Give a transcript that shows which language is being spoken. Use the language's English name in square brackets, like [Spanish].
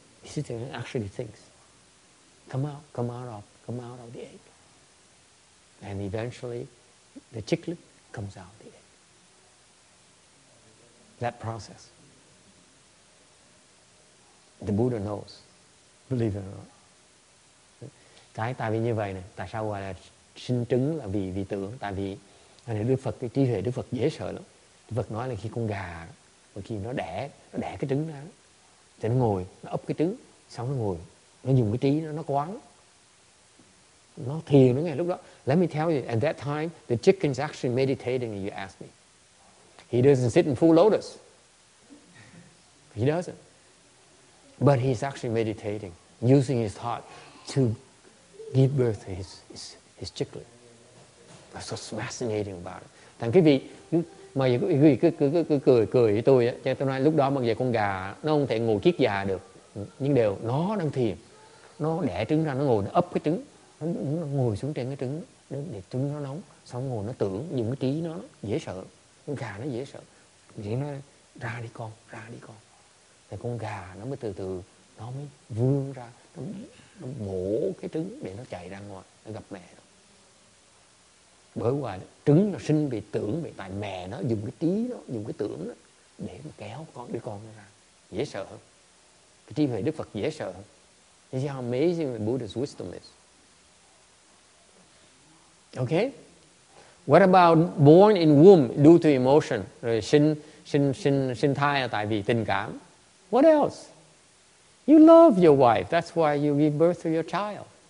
[English] He sits there and actually thinks, come out of the egg. And eventually the chicklet comes out of the egg. That process, the Buddha knows, believe it or not. [Vietnamese] Cái tại vì như vậy này, tại sao gọi là sinh trứng là vì tưởng, tại vì này Đức Phật, cái trí huệ Đức Phật dễ sợ lắm. Đức Phật nói là khi con gà, và khi nó đẻ cái trứng ra, thì nó ngồi, nó ấp cái trứng, xong nó ngồi, nó dùng cái trí nó quán, nó thiền nó ngay lúc đó. [English] Let me tell you, at that time, the chicken's actually meditating, you ask me. He doesn't sit in full lotus. He doesn't. But he's actually meditating, using his heart to give birth to his chicklet. That's what's fascinating about it. [Vietnamese] Thằng quý vị, mà quý vị cứ cười với tôi á, cho tôi nói lúc đó mặc dù con gà nó không thể ngồi kiết già được, nhưng đều nó đang thiền. Nó đẻ trứng ra, nó ngồi, nó ấp cái trứng, nó ngồi xuống trên cái trứng, để trứng nó nóng, xong ngồi nó tưởng, dùng cái trí nó, dễ sợ. Con gà nó dễ sợ, chỉ nó ra đi con. Thì con gà nó mới từ từ, nó mới vươn ra, nó mổ cái trứng để nó chạy ra ngoài, nó gặp mẹ. Bởi vì trứng nó sinh vì tưởng, vì tại mẹ nó dùng cái trí đó, dùng cái tưởng đó để mà kéo con đứa con nó ra. Dễ sợ hơn. Cái trí huệ Đức Phật dễ sợ hơn. [English] This is how amazing the Buddha's wisdom is. Okay? What about born in womb due to emotion? [Vietnamese] Sinh thai tại vì tình cảm. [English] What else? You love your wife. That's why you give birth to your child.